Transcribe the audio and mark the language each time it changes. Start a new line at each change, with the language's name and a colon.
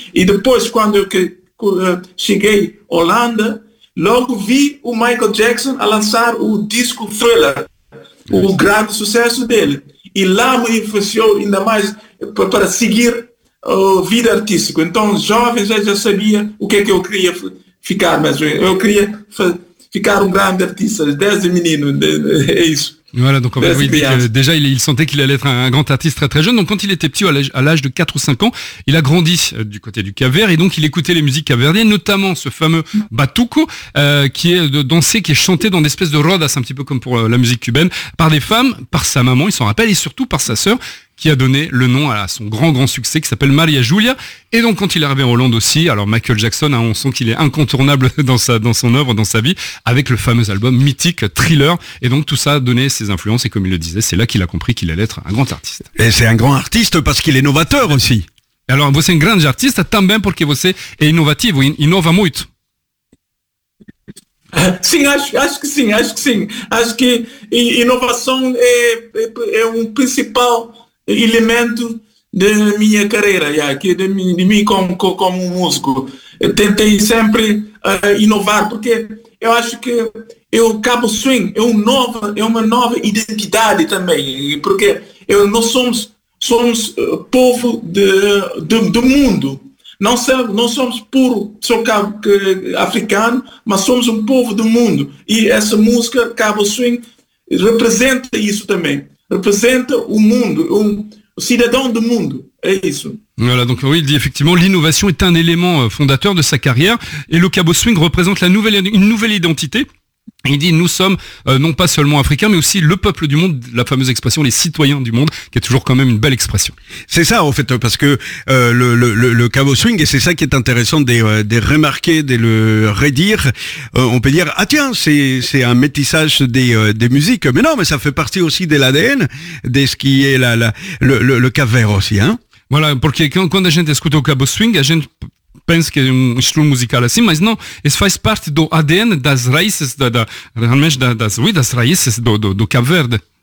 Portuguese: E depois, quando eu cheguei à Holanda, logo vi o Michael Jackson a lançar o disco Thriller, o grande sucesso dele, e lá me influenciou ainda mais para seguir a vida artística. Então, jovem, já sabia o que é que eu queria ficar, mas eu queria ficar um grande artista, desde menino, é isso.
French: Voilà, donc déjà il sentait qu'il allait être un grand artiste très très jeune. Donc quand il était petit, à l'âge de 4 ou 5 ans, il a grandi du côté du Cap Vert et donc il écoutait les musiques capverdiennes, notamment ce fameux batuco qui est dansé, qui est chanté dans des espèces de rodas, un petit peu comme pour la musique cubaine, par des femmes, par sa maman, il s'en rappelle, et surtout par sa sœur qui a donné le nom à son grand grand succès qui s'appelle Maria Julia. Et donc quand il est arrivé en Hollande aussi, alors Michael Jackson, hein, on sent qu'il est incontournable dans son œuvre, dans sa vie, avec le fameux album mythique Thriller. Et donc tout ça a donné ses influences, et comme il le disait, c'est là qu'il a compris qu'il allait être un grand artiste. Et c'est un grand artiste parce qu'il est novateur aussi. Alors vous êtes un grand artiste, tant bien pour que vous êtes innovatif, vous innovez beaucoup.
Portuguese: Sim, acho que sim. Acho que inovação é um principal elemento da minha carreira, de mim como músico. Eu tentei sempre inovar, porque eu acho que o Cabo Swing é uma nova identidade também, porque nós somos povo do mundo. Não somos puro só africano, mas somos um povo do mundo. E essa música, Cabo Swing, representa isso também.
French: Représente le monde, un citoyen du monde. Voilà, donc oui, il dit effectivement l'innovation est un élément fondateur de sa carrière et le Cabo Swing représente une nouvelle identité. Il dit nous sommes non pas seulement africains mais aussi le peuple du monde, la fameuse expression les citoyens du monde, qui est toujours quand même une belle expression. C'est ça en fait, parce que le Cabo Swing, et c'est ça qui est intéressant de remarquer, de le redire, on peut dire ah tiens, c'est un métissage des musiques, mais non, mais ça fait partie aussi de l'ADN, de ce qui est le Cap Vert aussi, hein. Voilà, parce que
Portuguese: quando a gente escuta o Cabo Swing, a gente pense que é um estilo musical assim, mas não, isso faz parte do ADN, das raízes, das raízes do Cabo Verde.